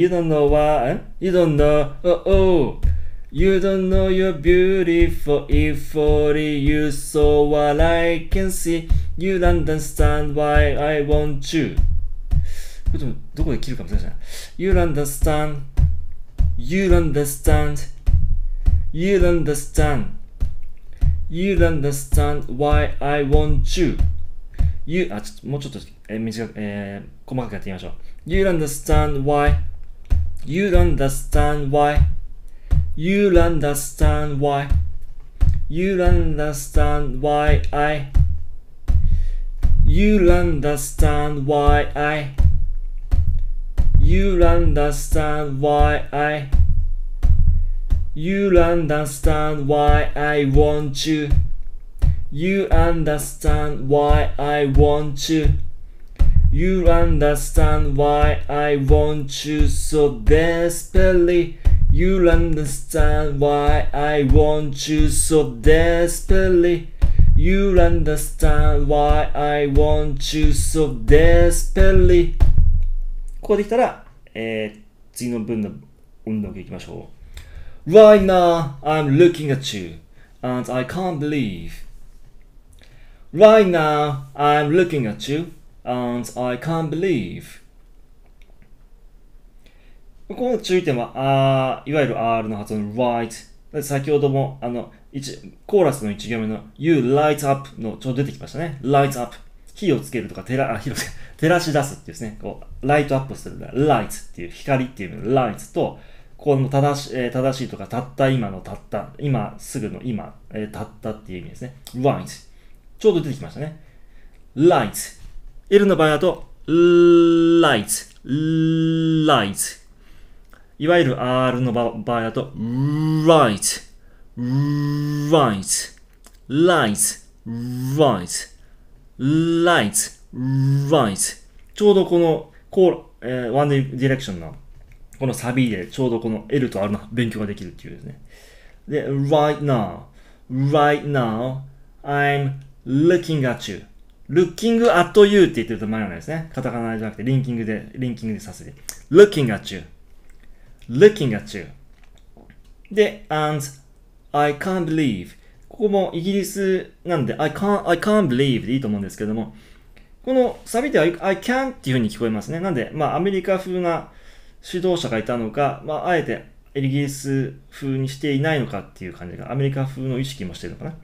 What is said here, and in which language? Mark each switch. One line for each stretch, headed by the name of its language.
English: You don't know why, you don't know, oh, oh. You don't know you're beautiful. If only you saw what I can see. You understand why I want you.
Japanese: これでもどこで切るかもしれません。
English: You understand. You understand. You understand. You understand why I want you.
Japanese: You, あ、ちょっともうちょっと、短く、細かくやってみましょう。
English: You understand why. You understand why. You understand why. You understand why I. You understand why I. You understand why I. You understand why I want you. You understand why I want you. You understand why I want you so desperately. You understand why I want you so desperately. You understand why I want you so desperately.
Japanese: ここできたら、次の文の音読いきましょう。
English: Right now, I'm looking at you, and I can't believe. Right now, I'm looking at you, and I can't believe.
Japanese: ここの注意点は、いわゆる R の発音 right。先ほども、コーラスの1行目の You light up のちょうど出てきましたね。 Light up。火をつけるとか、照らし出すっていうですね。こう、light up する。 light っていう光っていう light と、この正しいとか、たった今のたった、今すぐの今、たったっていう意味ですね。
English: right.
Japanese: ちょうど出てきましたね。light. L の場合だと、light.
English: light.
Japanese: いわゆる R の場合だと、right.
English: right. light. right. light. right.
Japanese: ちょうどこの、one direction の、このサビでちょうどこの L と R の勉強ができるっていうですね。
English: で、right now, right now, I'm looking at you. looking at you
Japanese: って言ってると迷わないですね。カタカナじゃなくてリンキングでさせて。
English: looking at you. looking at you. で、and I can't believe.
Japanese: ここもイギリスなんで、
English: I can't believe
Japanese: でいいと思うんですけども、このサビでは I can っていう風に聞こえますね。なんで、まあアメリカ風な指導者がいたのか、まあ、あえて、イギリス風にしていないのかっていう感じが、アメリカ風の意識もしてるのかな。